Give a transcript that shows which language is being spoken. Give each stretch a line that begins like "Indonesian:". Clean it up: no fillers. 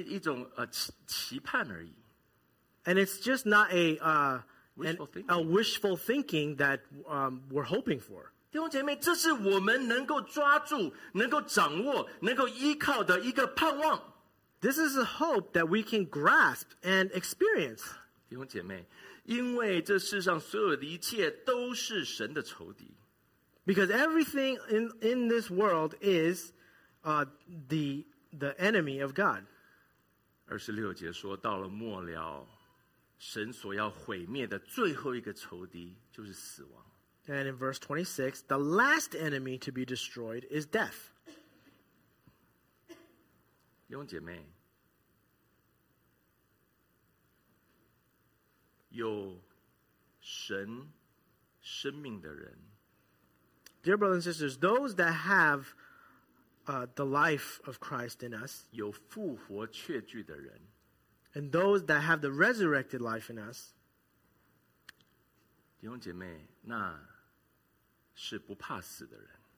Chinese: 弟兄姐妹,这不是一个我们不知道得到或得不到的一种好像一种期盼而已。
English: And it's just not a wishful thinking that we're hoping for.
Chinese: 弟兄姐妹, 这是我们能够抓住, 能够掌握, 能够依靠的一个盼望。
English: This is a hope that we can grasp and experience.
Chinese: 弟兄姐妹, 因为这世上所有的一切都是神的仇敌。
English: Because everything in this world is the enemy of God.
Chinese: 26节说, 到了末了, 神所要毁灭的最后一个仇敌就是死亡。
English: And in verse 26, the last enemy to be destroyed is death.
Chinese: 弟兄姐妹, 有神生命的人,
English: Dear brothers and sisters, those that have the life of Christ in us,
Chinese: 有复活确据的人,
English: and those that have the resurrected life in us,
Chinese: 弟兄姐妹, 那 是不怕死的人。